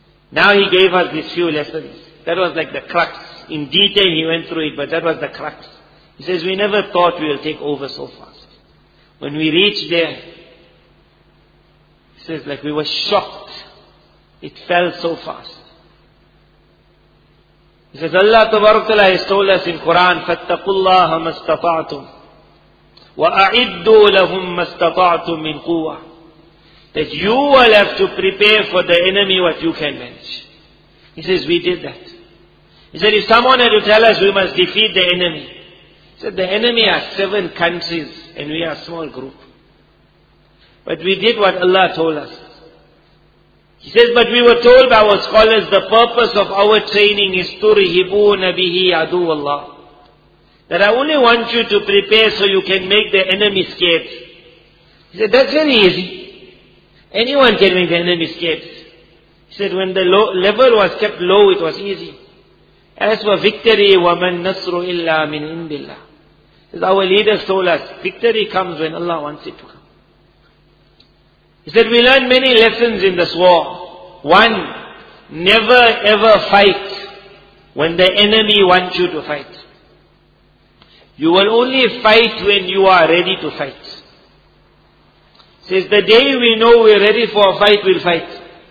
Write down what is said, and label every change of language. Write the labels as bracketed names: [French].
[English] Now he gave us these few lessons. That was like the crux. In detail he went through it, but that was the crux. He says, we never thought we will take over so fast. When we reached there, he says, like we were shocked. It fell so fast. He says, Allah Ta'ala has told us in Quran, [Arabic] فَاتَّقُوا اللَّهَ مَا اسْتَطَعْتُمْ وَأَعِدُّوا لَهُمْ مَا اسْتَطَعْتُمْ مِنْ قُوَّةٍ. [English] That you will have to prepare for the enemy what you can manage. He says, we did that. He said, if someone had to tell us we must defeat the enemy. He said, the enemy are 7 countries and we are a small group. But we did what Allah told us. He says, but we were told by our scholars, the purpose of our training is [Arabic] تُرْهِبُونَ بِهِ عَدُوَ اللَّهِ. [English] That I only want you to prepare so you can make the enemy scared. He said, that's very easy. Anyone can make the enemy scared. He said, when the level was kept low, it was easy. As for victory, [Arabic] وَمَن نَصْرُ إِلَّا مِنْ عِنْدِ اللَّهِ. [English] Our leaders told us, victory comes when Allah wants it to come. He said, we learned many lessons in this war. One, never ever fight when the enemy wants you to fight. You will only fight when you are ready to fight. He says, the day we know we're ready for a fight, we'll fight.